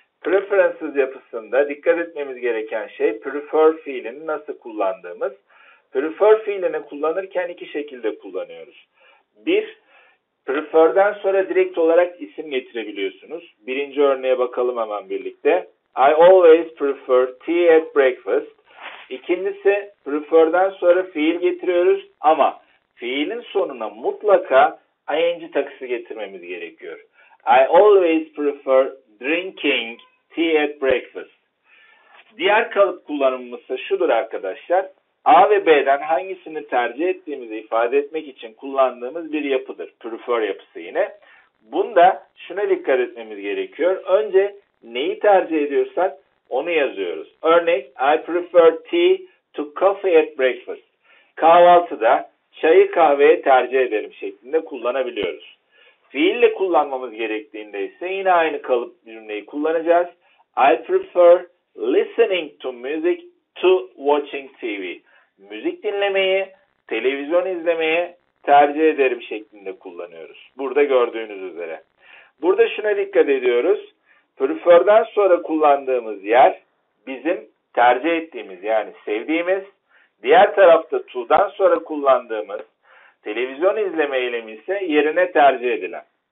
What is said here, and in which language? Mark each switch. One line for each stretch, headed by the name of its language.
Turkish: Preferences yapısında dikkat etmemiz gereken şey prefer fiilini nasıl kullandığımız. Prefer fiilini kullanırken iki şekilde kullanıyoruz. Bir, prefer'den sonra direkt olarak isim getirebiliyorsunuz. Birinci örneğe bakalım hemen birlikte.
English: I always prefer tea at breakfast.
Turkish: İkincisi, prefer'den sonra fiil getiriyoruz ama fiilin sonuna mutlaka ing takısı getirmemiz gerekiyor.
English: I always prefer drinking tea at breakfast.
Turkish: Diğer kalıp kullanımımız ise şudur arkadaşlar. A ve B'den hangisini tercih ettiğimizi ifade etmek için kullandığımız bir yapıdır. Prefer yapısı yine. Bunda şuna dikkat etmemiz gerekiyor. Önce neyi tercih ediyorsak onu yazıyoruz. Örnek,
English: I prefer tea to coffee at breakfast.
Turkish: Kahvaltıda çayı kahveye tercih ederim şeklinde kullanabiliyoruz. Fiille kullanmamız gerektiğinde ise yine aynı kalıp cümleyi kullanacağız.
English: I prefer listening to music to watching TV.
Turkish: Müzik dinlemeyi, televizyon izlemeyi tercih ederim şeklinde kullanıyoruz. Burada gördüğünüz üzere. Burada şuna dikkat ediyoruz. Prefer'den sonra kullandığımız yer bizim tercih ettiğimiz, yani sevdiğimiz. Diğer tarafta to'dan sonra kullandığımız televizyon izleme eylemi ise yerine tercih edilen.